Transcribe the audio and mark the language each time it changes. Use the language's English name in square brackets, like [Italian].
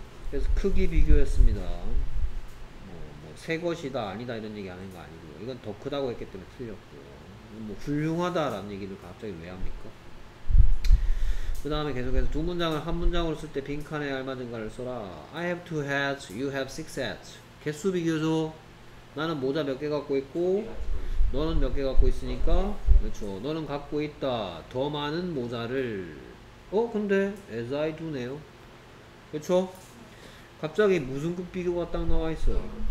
[Korean] 그래서 크기 비교했습니다. 새 것이다 아니다 이런 얘기 하는 거 아니고요. 이건 더 크다고 했기 때문에 틀렸고, 뭐 훌륭하다라는 얘기를 갑자기 왜 합니까? 그 다음에 계속해서 두 문장을 한 문장으로 쓸 때 빈칸에 알맞은 거를 써라. [English] I have two hats, you have six hats. [Korean] 개수 비교죠. 나는 모자 몇 개 갖고 있고 너는 몇 개 갖고 있으니까, 그렇죠. 너는 갖고 있다 더 많은 모자를. 어? 근데 [English] as I do [Korean] 네요. 그렇죠? 갑자기 무슨 급 비교가 딱 나와있어요.